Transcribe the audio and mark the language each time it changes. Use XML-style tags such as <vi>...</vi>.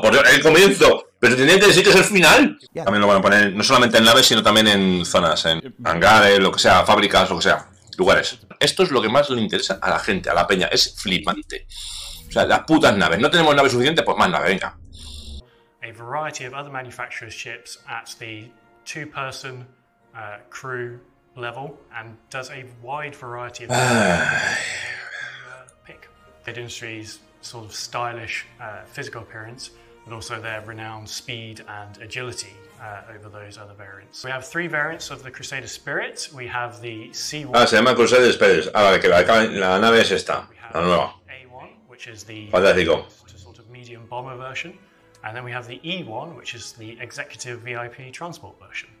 <es>¡Por Dios! ¡El comienzo! ¡Pero tiene que decir que es el final! También lo van a poner no solamente en naves, sino también en zonas, en hangares, lo que sea, fábricas, lo que sea, lugares. Esto es lo que más le interesa a la gente, a la peña. Es flipante. O sea, las putas naves. No tenemos naves suficientes, pues más naves, venga.</es> <en>A variety of other manufacturers' ships at the two-person crew level and does a wide variety of pick the industries. Sort of stylish physical appearance, but also their renowned speed and agility over those other variants. We have 3 variants of the Crusader Spirit. We have the C1.</en> <es>Ah, se llama Crusader Spirit. Ah, vale, que la nave es esta, la nueva.</es> <en>A1, which is the</en> <es>fantástico.</es> <en>Sort of medium bomber version, and then we have the E1, which is the executive VIP transport version.</en>